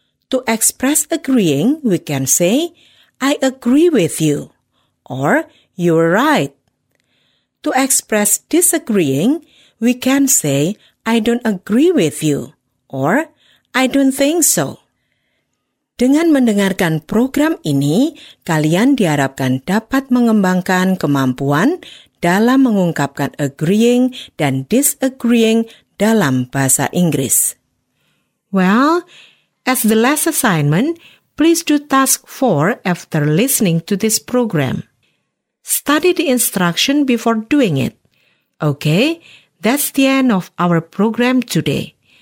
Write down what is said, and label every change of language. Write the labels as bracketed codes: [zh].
[en] To express agreeing, we can say, I agree with you, or you're right. To express disagreeing, we can say, I don't agree with you, or I don't think so. [id] Dengan mendengarkan program ini, kalian diharapkan dapat mengembangkan kemampuan dalam mengungkapkan agreeing dan disagreeing dalam bahasa Inggris. [en] Well, as the last assignment, please do task 4 after listening to this program. Study the instruction before doing it. Okay, that's the end of our program today.